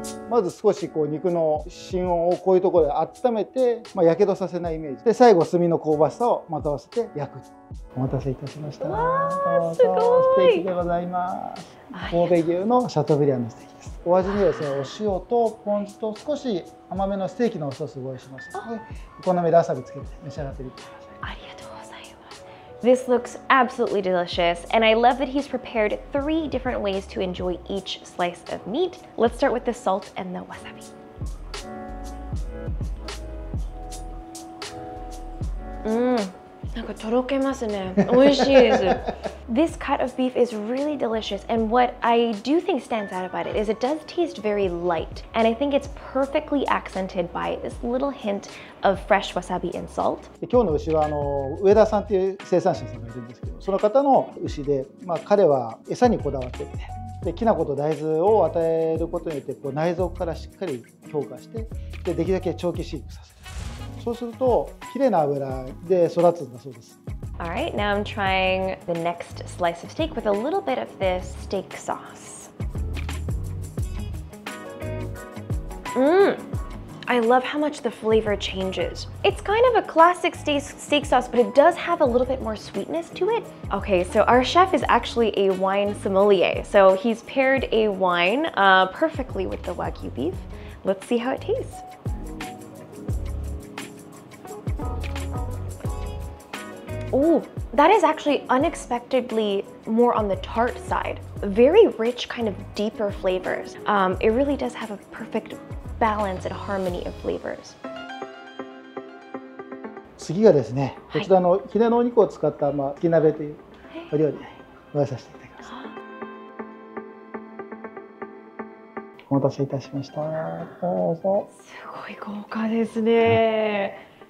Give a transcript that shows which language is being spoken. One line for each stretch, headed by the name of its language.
Japanese: まず少しこう肉の芯温をこういうところで温めて、まあ、やけどさせないイメージで、最後炭の香ばしさをまとわせて焼く。お待たせいたしました。わー、すごい。ステーキでございます。神戸牛のシャトーブリアンのステーキです。お味にですね、お塩とポン酢と少し甘めのステーキのおソースをご用意しました。お好みでわさびつけて召し上がってみてください。ありがとう。
English: This looks absolutely delicious, and I love that he's prepared three different ways to enjoy each slice of meat. Let's start with the salt and the wasabi.
Japanese: なんかとろけますね。美味しいです。
English: This cut of beef is really delicious, and what I do think stands out about it is it does taste very light, and I think it's perfectly accented by this little hint of fresh wasabi and salt.
Japanese: 今日の牛は上田さんっていう生産者さんがいるんですけど、その方の牛で、まあ、彼は餌にこだわってて、で、きな粉と大豆を与えることによってこう内臓からしっかり強化して、で、できるだけ長期飼育させる。そうすると綺麗な脂で育つんだそうです。
English: All right, now I'm trying the next slice of steak with a little bit of this steak sauce. I love how much the flavor changes. It's kind of a classic steak sauce, but it does have a little bit more sweetness to it. Okay, so our chef is actually a wine sommelier, so he's paired a wine perfectly with the Wagyu beef. Let's see how it tastes. Oh, that is actually unexpectedly more on the tart side. Very rich, kind of deeper flavors. It really does have a perfect balance and harmony of flavors.
Japanese: 次がですね、こちらのヒレのお肉を使った、まあ、ひき鍋というお料理をご用意させていただきます。お待たせいたしました。どうぞ。すごい豪華ですね。